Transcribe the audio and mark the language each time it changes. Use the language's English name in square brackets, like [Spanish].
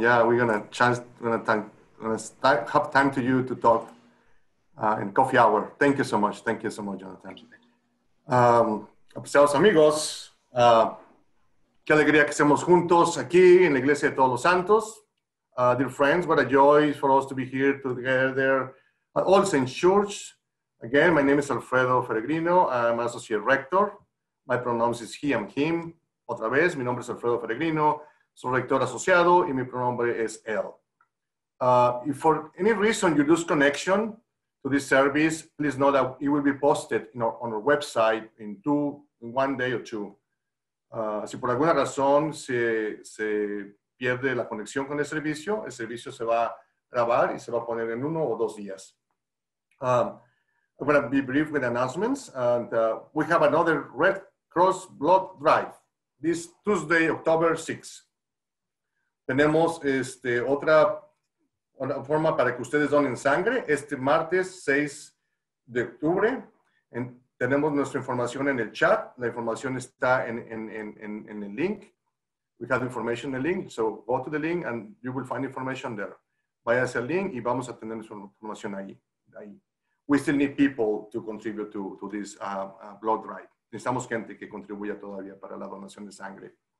[English] Yeah, we're gonna have time to you to talk. In coffee hour. Thank you so much. Thank you so much, Jonathan. [Spanish] Apreciados amigos, qué alegría que estemos juntos aquí en la Iglesia de Todos los Santos. [English] Dear friends, what a joy for us to be here together at All Saints Church. Again, my name is Alfredo Feregrino. I'm Associate Rector. My pronouns is he and him. [Spanish] Otra vez, mi nombre es Alfredo Feregrino. Soy rector asociado y mi pronombre es él. [English] If for any reason you lose connection to this service, please know that it will be posted on our website in one day or two. [Spanish] Si por alguna razón se pierde la conexión con el servicio se va a grabar y se va a poner en uno o dos días. [English] I'm gonna be brief with announcements, and we have another Red Cross Blood Drive this Tuesday, October 6th. [Spanish] Tenemos otra forma para que ustedes donen sangre este martes 6 de octubre. Tenemos nuestra información en el chat. La información está en el link. [English] We have information in the link. So go to the link and you will find information there. [Spanish] Vaya al link y vamos a tener nuestra información ahí. [English] We still need people to contribute to this blood drive. [Spanish] Necesitamos gente que contribuya todavía para la donación de sangre.